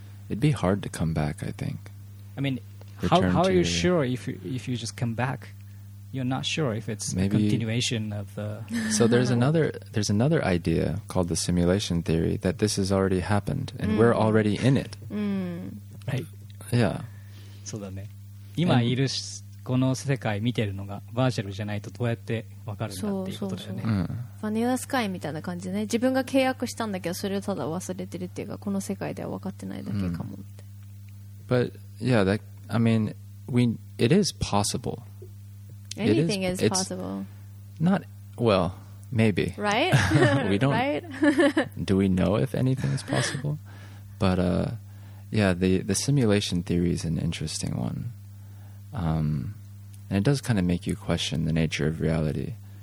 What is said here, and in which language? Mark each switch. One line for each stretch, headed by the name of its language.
English: It'd be hard to come back, I think. I mean、Return、how are you sure if you just come back, you're not sure if it's、Maybe. A continuation of the so there's another idea called the simulation theory that this has already happened and、mm. we're already in it、 mm. right。 Yeah.
Japanese: そうだね。今いるこの世界見てるのがバーチャルじゃないとどうやって分かるんだっていうことだよね。バニラスカイみたいな感じでね、自分が契約したんだけどそれをただ忘れてるっていうか、この世界では分かってないだけかもって。
English: But yeah, that I mean, we it is possible. Anything is possible. Not well, maybe. Right? we don't. Right? do we know if anything is possible? But Yeah, the simulation theory is an interesting one.、and it does kind of make you question the nature of reality.